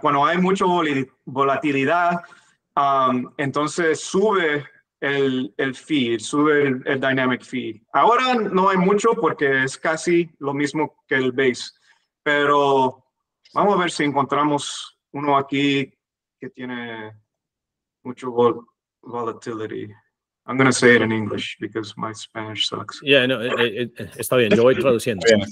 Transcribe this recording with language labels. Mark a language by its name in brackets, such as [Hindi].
[Spanish] Cuando hay mucha volatilidad, entonces sube el fee, sube el dynamic fee. Ahora no hay mucho porque es casi lo mismo que el base, pero vamos a ver si encontramos uno aquí que tiene mucho volatility. [English] I'm going to say it in English because my Spanish sucks. [Spanish] Yeah, no, está bien, yo voy traduciendo.